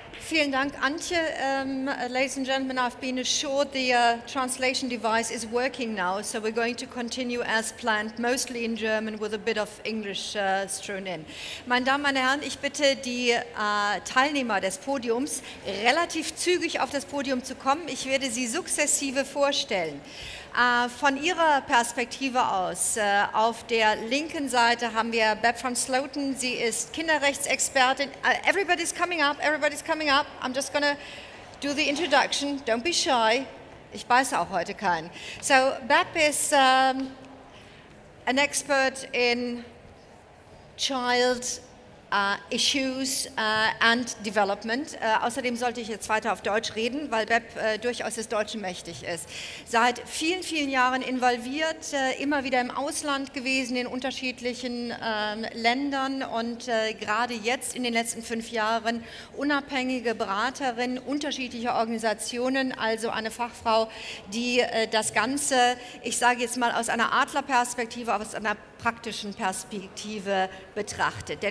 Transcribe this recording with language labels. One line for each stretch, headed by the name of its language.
German: Vielen Dank, Antje.
English: Ladies and gentlemen, I've been assured the translation device is working now, so we're going to continue as planned, mostly in German with a bit of English strewn in.
German: Meine Damen, meine Herren, ich bitte die Teilnehmer des Podiums, relativ zügig auf das Podium zu kommen. Ich werde sie sukzessive vorstellen. Von Ihrer Perspektive aus, auf der linken Seite haben wir Beb van Sloten, sie ist Kinderrechtsexpertin.
English: Everybody's coming up, everybody's coming up. I'm just gonna do the introduction, don't be shy.
German: Ich beiße auch heute keinen.
English: So, Beb is an expert in child issues and development.
German: Außerdem sollte ich jetzt weiter auf Deutsch reden, weil Beb durchaus des Deutschen mächtig ist. Seit vielen, vielen Jahren involviert, immer wieder im Ausland gewesen, in unterschiedlichen Ländern und gerade jetzt in den letzten 5 Jahren unabhängige Beraterin unterschiedlicher Organisationen, also eine Fachfrau, die das Ganze, ich sage jetzt mal aus einer Adlerperspektive, aus einer praktischen Perspektive betrachtet.